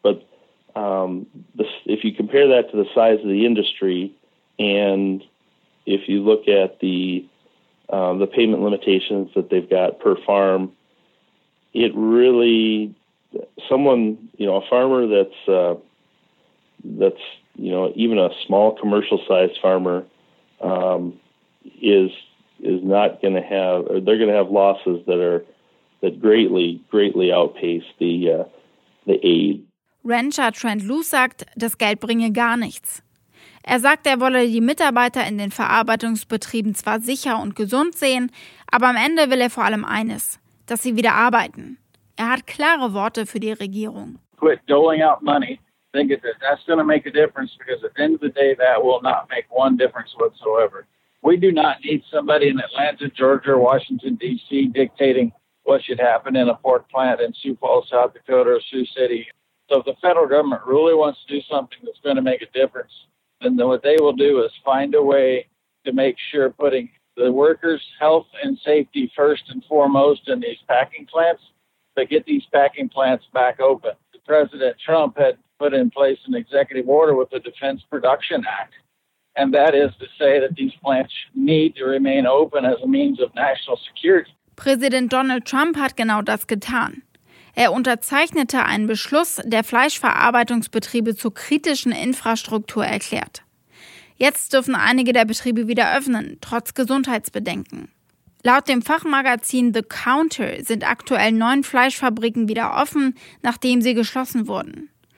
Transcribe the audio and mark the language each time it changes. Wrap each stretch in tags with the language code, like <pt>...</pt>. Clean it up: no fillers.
<en>But if you compare that to the size of the industry, and if you look at the payment limitations that they've got per farm, it really a farmer that's even a small commercial sized farmer is not going to have, or they're going to have losses that greatly, greatly outpace the aid.</en> <de>Rancher Trent Luce sagt, das Geld bringe gar nichts. Er sagt, er wolle die Mitarbeiter in den Verarbeitungsbetrieben zwar sicher und gesund sehen, aber am Ende will er vor allem eines, dass sie wieder arbeiten. Er hat klare Worte für die Regierung.</de> <en>Quit doling out money. Think of this. That's going to make a difference, because at the end of the day, that will not make one difference whatsoever. We do not need somebody in Atlanta, Georgia, Washington, D.C. dictating what should happen in a pork plant in Sioux Falls, South Dakota, or Sioux City. So if the federal government really wants to do something that's going to make a difference, then what they will do is find a way to make sure putting the workers' health and safety first and foremost in these packing plants, to get these packing plants back open. President Trump had put in place an executive order with the Defense Production Act, and that is to say that these plants need to remain open as a means of national security.</en> <de>Präsident Donald Trump hat genau das getan. Er unterzeichnete einen Beschluss, der Fleischverarbeitungsbetriebe zur kritischen Infrastruktur erklärt. Jetzt dürfen einige der Betriebe wieder öffnen, trotz Gesundheitsbedenken. Laut dem Fachmagazin The Counter sind aktuell 9 Fleischfabriken wieder offen, nachdem sie geschlossen wurden.</de>